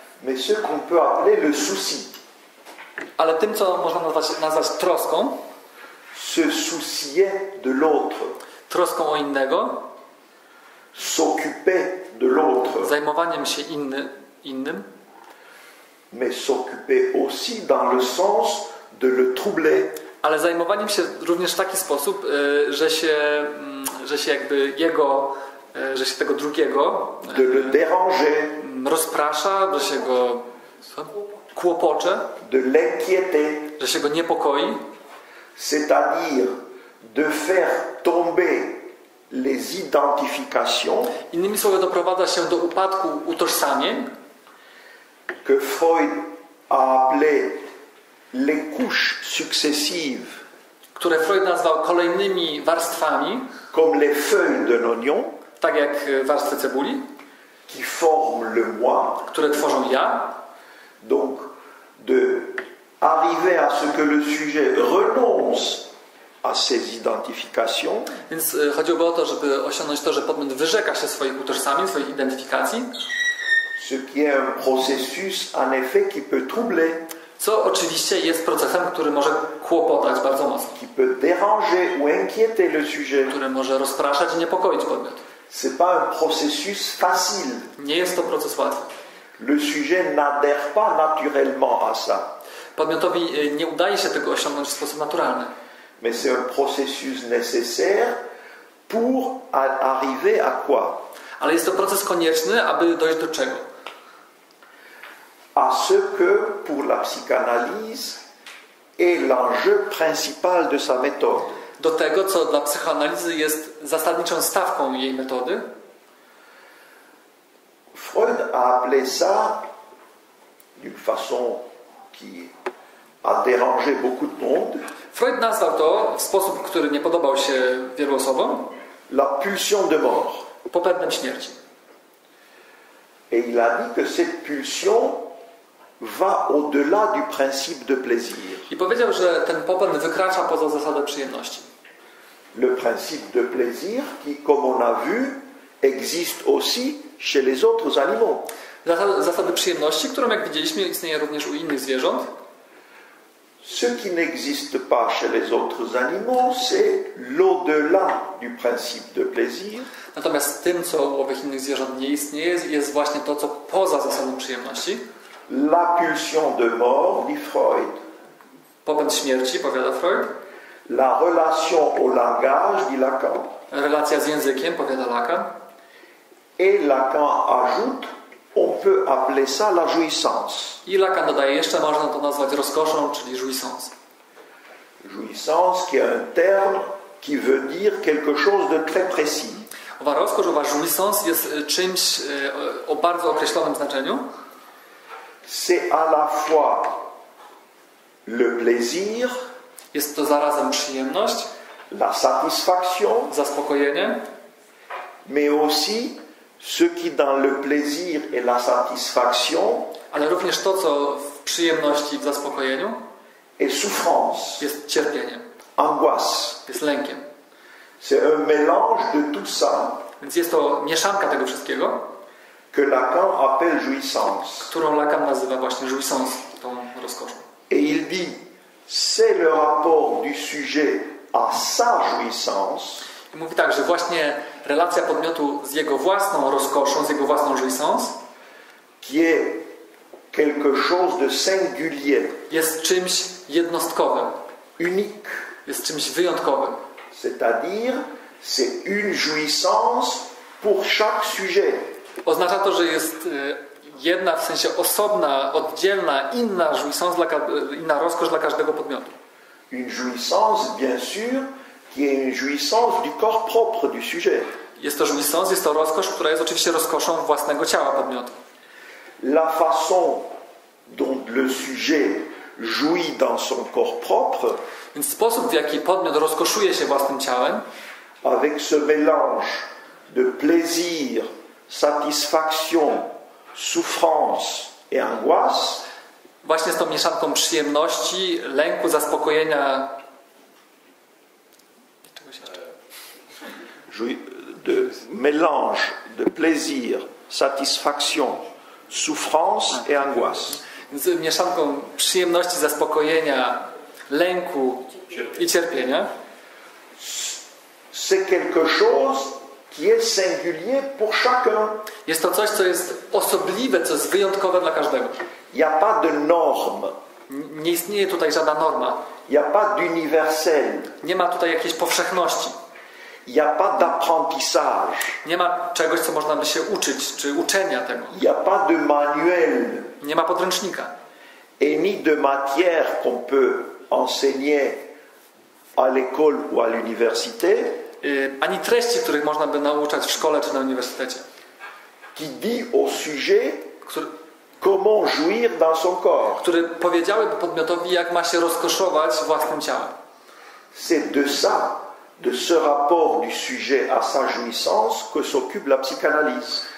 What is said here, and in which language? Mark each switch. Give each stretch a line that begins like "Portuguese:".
French: mais ce qu'on peut appeler le souci.
Polish: Ale tym, co można nazwać troską,
French: se soucier de l'autre.
Polish: Troską o innego.
French: S'occuper de l'autre.
Polish: Zajmowaniem się innym.
French: Mais s'occuper aussi dans le sens de le troubler.
Polish: Ale zajmowaniem się również w taki sposób, że się jakby jego, że się tego drugiego
French: de le déranger.
Polish: Rozprasza, że się go kłopocze.
French: De l'inquiéter.
Polish: Że się go niepokoi.
French: C'est-à-dire de faire tomber les identifications.
Polish: Innymi słowy, doprowadza się do upadku utożsamień,
French: que Freud a appelé les couches successives,
Polish: które Freud nazwał kolejnymi warstwami,
French: comme les feuilles d'un oignon,
Polish: tak jak warstwy cebuli,
French: qui forment le moi,
Polish: które tworzą ja.
French: Donc de arriver à ce que le sujet renonce à ses identifications.
Polish: Więc chodziłoby o to, żeby osiągnąć to, że podmiot wyrzeka się swoich utożsamień, swoich identyfikacji.
French: Ce qui est un processus en effet qui peut troubler.
Polish: Co oczywiście jest procesem, który może kłopotać bardzo mocno.
French: Qui peut déranger ou inquiéter le sujet.
Polish: Który może rozpraszać i niepokoić podmiot.
French: C'est pas un processus facile.
Polish: Nie jest to proces łatwy.
French: Le sujet n'adhère pas naturellement à ça.
Polish: Podmiotowi nie udaje się tego osiągnąć w sposób naturalny.
French: Mais c'est un processus nécessaire pour arriver à quoi?
Polish: Ale jest to proces konieczny, aby dojść do czego?
French: À ce que pour la psychanalyse est l'enjeu principal de sa méthode.
Polish: Do tego, co dla psychoanalizy jest zasadniczą stawką jej metody.
French: Freud a appelé ça d'une façon qui a dérangé beaucoup de monde.
Polish: Freud nazwał to w sposób, który nie podobał się wielu osobom.
French: La pulsion de mort.
Polish: Popędem śmierci.
French: Et il a dit que cette pulsion va au-delà du principe de plaisir.
Polish: I powiedział, że ten popęd wykracza poza zasadę przyjemności.
French: Le principe de plaisir qui, comme on a vu, existe aussi chez les autres animaux.
Polish: Zasady przyjemności, którą jak widzieliśmy, istnieje również u innych zwierząt.
French: Ce qui n'existe pas chez les autres animaux, c'est l'au-delà du principe de plaisir.
Polish: Natomiast tym, co u owych innych zwierząt nie istnieje, jest właśnie to, co poza zasadą przyjemności.
French: La pulsion de mort, dit Freud.
Polish: Popęd śmierci, powiada Freud.
French: La relation au langage, dit Lacan.
Polish: Relacja z językiem, powiada Lacan.
French: Et Lacan ajoute, on peut appeler ça la jouissance.
Polish: I Lacan dodaje jeszcze, można to nazwać rozkoszą, czyli jouissance.
French: Jouissance, qui est un terme qui veut dire quelque chose de très précis.
Polish: Owa rozkosz, owa jouissance jest czymś o bardzo określonym znaczeniu.
French: C'est à la fois le plaisir,
Polish: jest to zarazem przyjemność,
French: la satisfaction,
Polish: zaspokojenie,
French: mais aussi ce qui dans le plaisir et la satisfaction,
Polish: ale również to, co w przyjemności i w zaspokojeniu,
French: est souffrance,
Polish: jest cierpieniem,
French: angoisse,
Polish: jest lękiem.
French: C'est un mélange de tout ça.
Polish: Więc jest to mieszanka tego wszystkiego,
French: que Lacan appelle jouissance.
Polish: Którą Lacan nazywa właśnie jouissance, tą rozkoszą.
French: Et il dit, c'est le rapport du sujet à sa jouissance.
Polish: I mówi tak, że właśnie relacja podmiotu z jego własną rozkoszą, z jego własną jouissance,
French: qui est quelque chose de singulier.
Polish: Jest czymś jednostkowym.
French: Unique.
Polish: Jest czymś wyjątkowym.
French: C'est-à-dire, c'est une jouissance pour chaque sujet.
Polish: Oznacza to, że jest jedna, w sensie osobna, oddzielna, inna jouissance, inna rozkosz dla każdego podmiotu.
French: Une jouissance, bien sûr, qui est une jouissance du corps propre du sujet.
Polish: Jest to jouissance, jest to rozkosz, która jest oczywiście rozkoszą własnego ciała podmiotu.
French: La façon dont le sujet jouit dans son corps propre,
Polish: więc sposób, w jaki podmiot rozkoszuje się własnym ciałem,
French: avec ce mélange de plaisir, satisfaction, souffrance et angoisse,
Polish: właśnie z tą mieszanką przyjemności, lęku, zaspokojenia,
French: de mélange de plaisir, satisfaction, souffrance et angoisse.
Polish: Z mieszanką przyjemności, zaspokojenia, lęku i cierpienia.
French: C'est quelque chose qui est singulier pour chacun.
Polish: Jest to coś, co jest osobliwe, co jest wyjątkowe dla każdego.
French: Il y a pas de norme.
Polish: Nie istnieje tutaj żadna norma.
French: Il y a pas d'universel.
Polish: Nie ma tutaj jakiejś powszechności.
French: Il y a pas d'apprentissage.
Polish: Nie ma czegoś, co można by się uczyć, czy uczenia tego.
French: Il y a pas de manuel.
Polish: Nie ma podręcznika.
French: Et ni de matière qu'on peut enseigner à l'école ou à l'université.
Polish: Ani treści, których można by nauczać w szkole czy na uniwersytecie.
French: Qui dit au sujet comment jouir dans son corps.
Polish: Który powiedziałby podmiotowi, jak ma się rozkoszować własnym ciałem.
French: C'est de ça, de ce rapport du sujet à sa jouissance que s'occupe la psychanalyse.